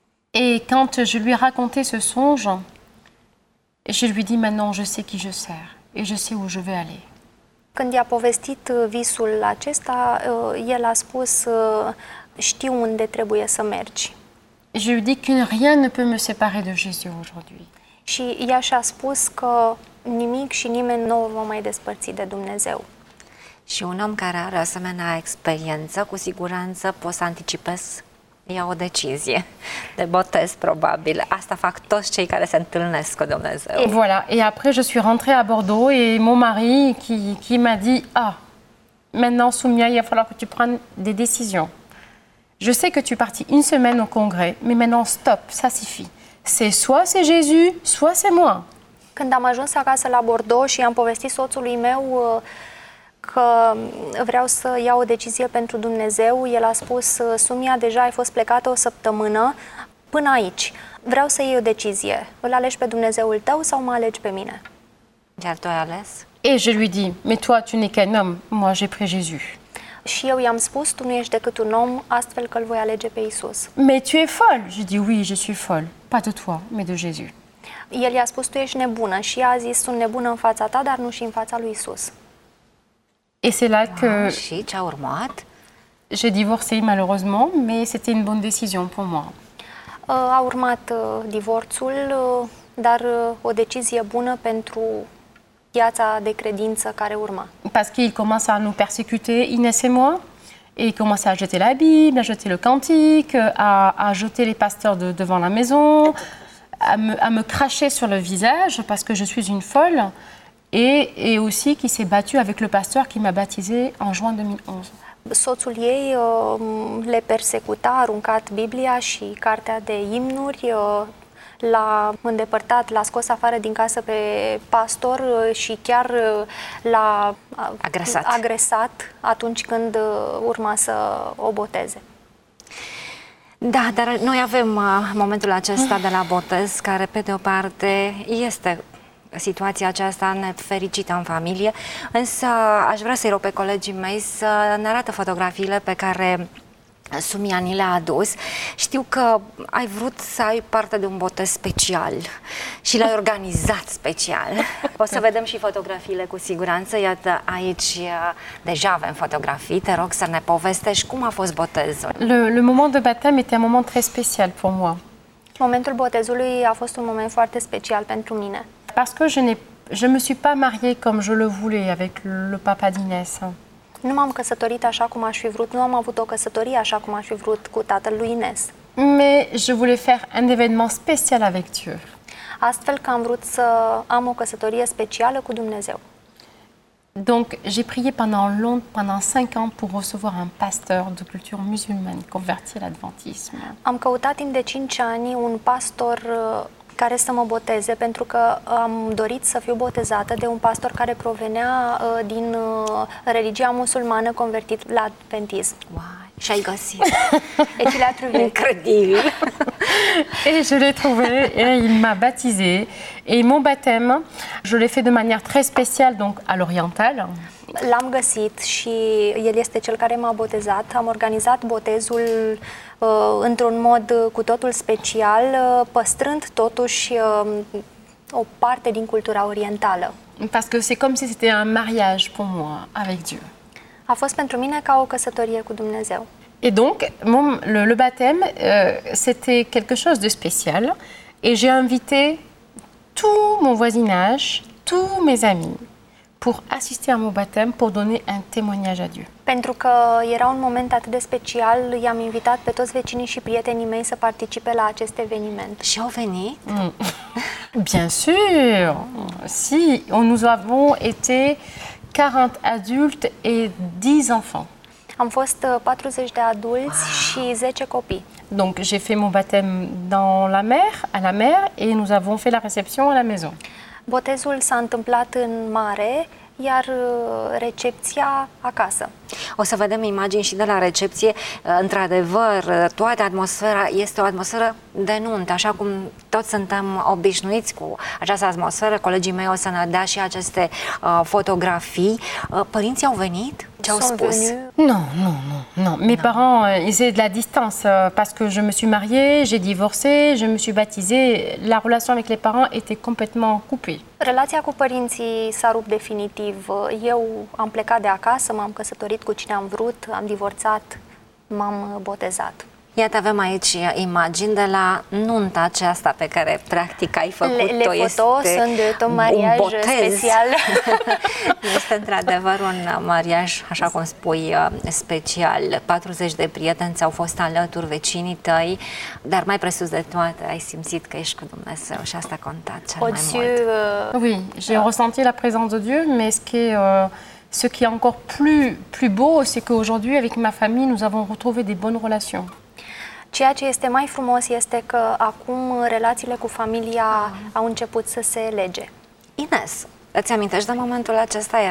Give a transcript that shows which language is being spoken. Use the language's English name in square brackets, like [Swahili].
[French] Et quand je lui ai raconté ce songe, je lui ai dit, maintenant je sais qui je sers et je sais où je vais aller. [Romanian] Când i-a povestit visul acesta, el a spus, știu unde trebuie să mergi. [French] Je lui dis que rien ne peut me séparer de Jésus aujourd'hui. [Romanian] Și ea și-a spus că nimic și nimeni nu va mai despărți de Dumnezeu. Și un om care are asemenea experiență, cu siguranță pot să anticipez, ia o decizie de botez, probabil. Asta fac toți cei care se întâlnesc cu Dumnezeu. [French] Et voilà, et après je suis rentrée à Bordeaux et mon mari qui m'a dit, ah, maintenant Soumia, il va falloir que tu prennes des décisions. Je sais que tu es partie une semaine au congrès, mais maintenant stop, ça suffit. C'est soit c'est Jésus, soit c'est moi. [Romanian] Când am ajuns acasă la Bordeaux și am povestit soțului meu că vreau să iau o decizie pentru Dumnezeu, el a spus, Soumia, deja ai fost plecată o săptămână până aici. Vreau să iei o decizie. Îl alegi pe Dumnezeul tău sau mă alegi pe mine? Iar tu ai ales? [French] Et je lui dis, mais toi, tu n'es qu'un homme, moi j'ai pris Jésus. [Romanian] Și eu i-am spus, tu nu ești decât un om, astfel că îl voi alege pe Iisus. [French] Mais tu es folle. Je dis, oui, je suis folle. Pas de toi, mais de Jésus. [Romanian] El i-a spus, tu ești nebună. Și ea a zis, sunt nebună în fața ta, dar nu și în fața lui Iisus. [French] Et c'est là que... [Romanian] Și ce-a urmat? [French] J'ai divorcé, malheureusement, mais c'était une bonne décision pour moi. [Romanian] A urmat divorțul, dar o decizie bună pentru viața de credință care urma. [French] Parce qu'il commence à nous persécuter, Inès et moi, et il commence à jeter la Bible, à jeter le cantique, à jeter les pasteurs devant la maison, à me cracher sur le visage parce que je suis une folle, et aussi qui s'est battue avec le pasteur qui m'a baptisée en juin 2011. [Romanian] Soțul ei le persecuta, a aruncat Biblia și cartea de imnuri, l-a îndepărtat, l-a scos afară din casă pe pastor și chiar l-a agresat atunci când urma să o boteze. Da, dar noi avem momentul acesta de la botez, care pe de o parte este situația aceasta nefericită în familie, însă aș vrea să-i rog pe colegii mei să ne arată fotografiile pe care Sumia ni le-a adus. Știu că ai vrut să ai parte de un botez special și l-ai organizat special. O să vedem și fotografiile cu siguranță. Iată, aici deja avem fotografii. Te rog să ne povestești cum a fost botezul. [French] Le moment de baptême était un moment très spécial pour moi. [Romanian] Momentul botezului a fost un moment foarte special pentru mine. [French] Parce que je me suis pas mariée comme je le voulais avec le papa d'Inès. [Romanian] Nu m-am căsătorit așa cum aș fi vrut, nu am avut o căsătorie așa cum aș fi vrut cu tatăl lui Inès. [French] Mais je voulais faire un événement spécial avec Dieu. [Romanian] Astfel că am vrut să am o căsătorie specială cu Dumnezeu. [French] Donc j'ai prié pendant 5 ans pour recevoir un pasteur de culture musulmane converti à l'adventisme. [Romanian] Am căutat timp de 5 ani un pastor care să mă boteze, pentru că am dorit să fiu botezată de un pastor care provenea din religia musulmană convertit la adventism. Wow. Și ai găsit. [French] Et tu l'as trouvé. [Romanian] Incredibil. [French] Et je l'ai trouvé et il m'a baptisé. Et mon baptême, je l'ai fait de manière très spéciale, donc à l'oriental. [Romanian] L-am găsit și el este cel care m-a botezat. Am organizat botezul într-un mod cu totul special, păstrând totuși o parte din cultura orientală. [French] Parce que c'est comme si c'était un mariage pour moi avec Dieu. [Romanian] A fost pentru mine ca o căsătorie cu Dumnezeu. [French] Et donc, le baptême, c'était quelque chose de spécial et j'ai invité tout mon voisinage, tous mes amis pour assister à mon baptême, pour donner un témoignage à Dieu. [Romanian] Pentru că era un moment atât de special, i-am invitat pe toți vecinii și prietenii mei să participe la acest eveniment. Și au venit? [French] Bien sûr. Si, nous avons été 40 adultes et 10 enfants. [Romanian] Am fost 40 de adulți și 10 copii. [French] Donc j'ai fait mon baptême dans la mer, à la mer, et nous avons fait la réception à la maison. [Romanian] Botezul s-a întâmplat în mare, iar recepția acasă. O să vedem imagini și de la recepție. Într-adevăr, toată atmosfera este o atmosferă de nuntă, așa cum toți suntem obișnuiți cu această atmosferă. Colegii mei o să ne dea și aceste fotografii. Părinții au venit? Ce au spus? [French] Non. Mes parents, ils étaient de la distance parce que je me suis mariée, j'ai divorcé, je me suis baptisée. La relation avec les parents était complètement coupée. [Romanian] Relația cu părinții s-a rupt definitiv. Eu am plecat de acasă, m-am căsătorit cu cine am vrut, am divorțat, m-am botezat. Iată, avem aici imagini de la nunta aceasta pe care practic ai făcut-o. Le foto sunt de un mariaj special. Este într-adevăr un mariaj, așa cum spui, special. 40 de prieteni ți-au fost alături, vecinii tăi, dar mai presus de toate ai simțit că ești cu Dumnezeu și asta a contat cel mai mult. [French] Oui, j'ai ressenti la présence de Dieu, mais ce qui est encore plus beau, c'est qu'aujourd'hui, avec ma famille, nous avons retrouvé des bonnes relations. [Romanian] Ceea ce este mai frumos este că acum relațiile cu familia au început să se lege. Inès, îți amintești de momentul acesta?